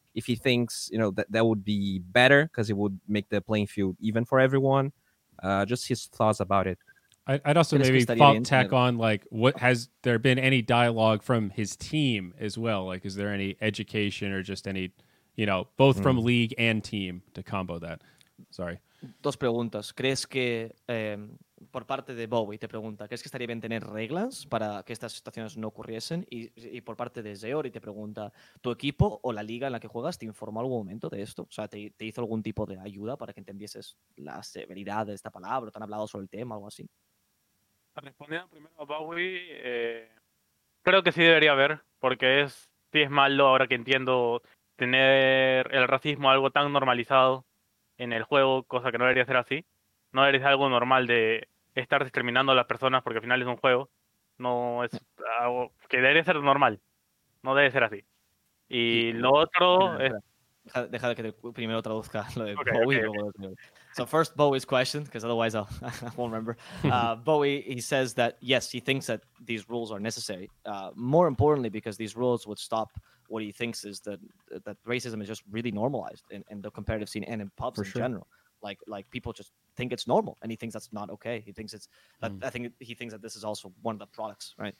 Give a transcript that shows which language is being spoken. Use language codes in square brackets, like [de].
[en] If he thinks, you know, that would be better because it would make the playing field even for everyone. Just his thoughts about it. I'd also maybe tack on, like, what has there been any dialogue from his team as well? Like, is there any education or just any, you know, both from league and team to combo that? Sorry. [es] Dos preguntas. ¿Crees que por parte de Bowie te pregunta, crees que estaría bien tener reglas para que estas situaciones no ocurriesen? Y por parte de Zeori te pregunta, ¿tu equipo o la liga en la que juegas te informó algún momento de esto? O sea, ¿te hizo algún tipo de ayuda para que entendieses la severidad de esta palabra? ¿Te han hablado sobre el tema o algo así? Respondiendo primero a Bowie, creo que sí debería haber, porque es malo, ahora que entiendo, tener el racismo algo tan normalizado en el juego, cosa que no debería ser así. No eres algo normal de estar discriminando a las personas porque al final es un juego. No es algo que debería ser normal. No debe ser así. Y sí, lo otro espera. Deja de que primero traduzca lo de Bowie. [en] So first Bowie's question, because otherwise I won't remember. Bowie, he says that yes, he thinks that these rules are necessary. More importantly, because these rules would stop what he thinks is that racism is just really normalized in the competitive scene and in pubs for in sure. general. Like people just think it's normal, and he thinks that's not okay. He thinks he thinks that this is also one of the products, right?